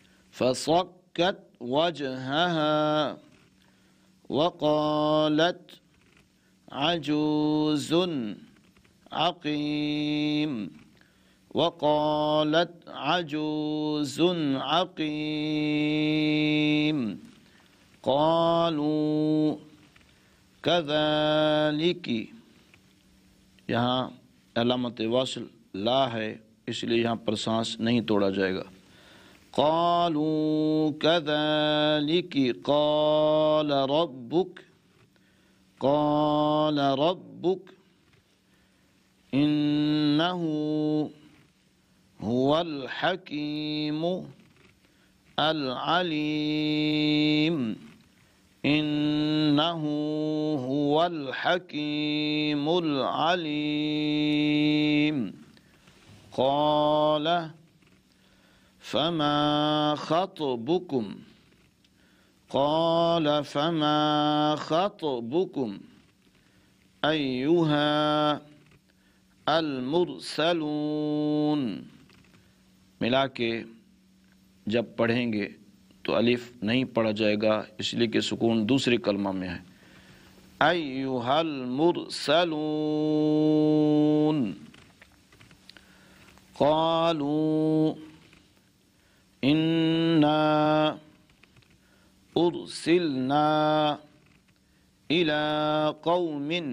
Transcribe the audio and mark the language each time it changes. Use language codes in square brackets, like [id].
[ar] فصكت وجهها وقالت عجوز عقيم وقالت عجوز عقيم قالوا كذلك. [ur] یہاں علامت واصل لا ہے اس لیے یہاں پر سانس نہیں توڑا جائے گا. [ar] قالوا كذلك قال ربك قال ربك إنه هو الحكيم العليم إنه هو الحكيم العليم قال فما خطبكم قال فما خطبكم أيها المرسلون. [ur] ملا کے جب پڑھیں گے تو الف نہیں پڑھا جائے گا اس لیے کہ سکون دوسرے کلمہ میں ہے. [ar] ایوہا المرسلون قالوا انا ارسلنا الى قوم.